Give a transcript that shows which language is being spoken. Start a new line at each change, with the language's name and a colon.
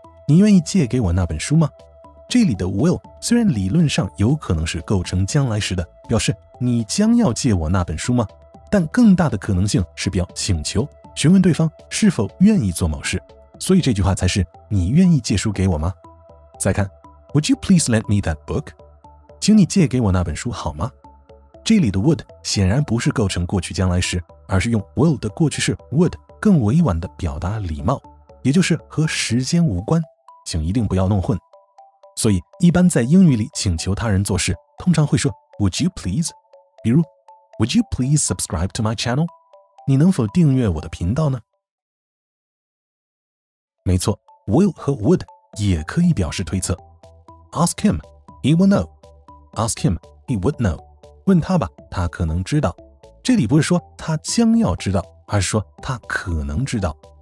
Chinese: 你愿意借给我那本书吗？这里的 will 虽然理论上有可能是构成将来时的，表示你将要借我那本书吗，但更大的可能性是表请求，询问对方是否愿意做某事，所以这句话才是你愿意借书给我吗。再看，
English: Would you please lend me that book?
Chinese: 请你借给我那本书好吗？这里的 would 显然不是构成过去将来时，而是用 will 的过去式 would 更委婉地表达礼貌，也就是和时间无关，请一定不要弄混。所以一般在英语里请求他人做事，通常会说
English: Would you please?
Chinese: 比如
English: Would you please subscribe to my channel?
Chinese: 你能否订阅我的频道呢？没错， will 和 would也可以表示推测。
English: Ask him, he will know. Ask him, he would know.
Chinese: 问他吧，他可能知道。这里不是说他将要知道，而是说他可能知道。